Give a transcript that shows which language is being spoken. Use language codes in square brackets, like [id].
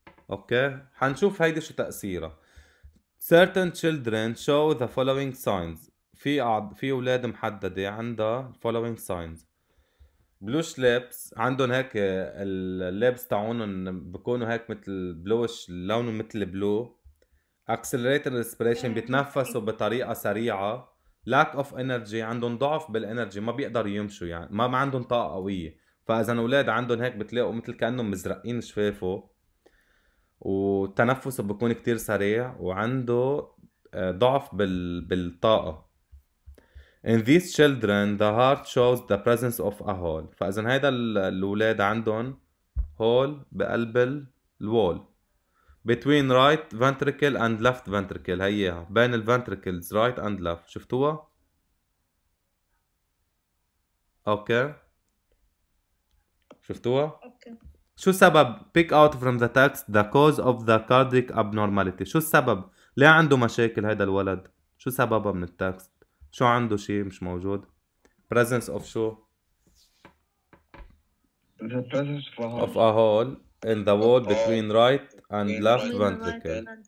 [ar] اوكي حنشوف هيدي شو تاثيرها. [en] Certain children show the following signs. [ar] في أولاد محددة عندها following signs. [en] Bluish lips، [ar] عندهم هيك اللبس تعونهم بكونوا هيك مثل bluish، لونه مثل blue. [en] Accelerated respiration، [ar] بيتنفسوا بطريقة سريعة. [en] Lack of energy، [ar] عندهم ضعف بالenergy، ما بيقدروا يمشوا يعني ما عندهم طاقة قوية. فإذا أولاد عندهم هيك بتلاقوا مثل كأنهم مزرقين شفافه، وتنفسه بيكون كتير سريع، وعنده ضعف بالطاقة. [en] In these children the heart shows the presence of a hole. [ar] فإذا هيدا الولاد عندهم [en] hole بقلب الوال between right ventricle and left ventricle، هيها بين ال ventricles right and left. [ar] شفتوها؟ اوكي شفتوها؟ اوكي. شو سبب [en] pick out from the text the cause of the cardiac abnormality؟ [ar] شو السبب؟ ليه عنده مشاكل هيدا الولد؟ شو سببها من التكست؟ شو عنده شيء مش موجود؟ presence of شو؟ [en] the presence of a hole in the wall between right and left ventricle.